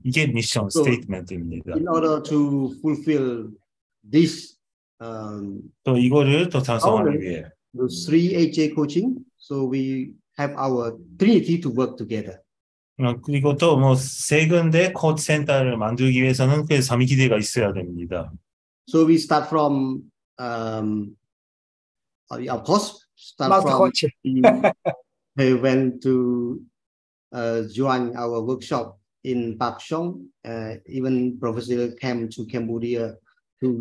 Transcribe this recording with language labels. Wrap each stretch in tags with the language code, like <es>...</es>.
<ko>이게 미션 스테이트먼트입니다.</ko> <en>In order to fulfill this,</en> <ko>또 이거를 또 달성하기 위해.</ko> <en>The three AJ coaching, so we have our Trinity to work together.</en> <ko>그리고 또 뭐 세 군데 코치 센터를 만들기 위해서는 그 3기대가 있어야 됩니다.</ko> <en>So we start from of course start Not from we went to join our workshop in Bak Chong even professor came to Cambodia to</en>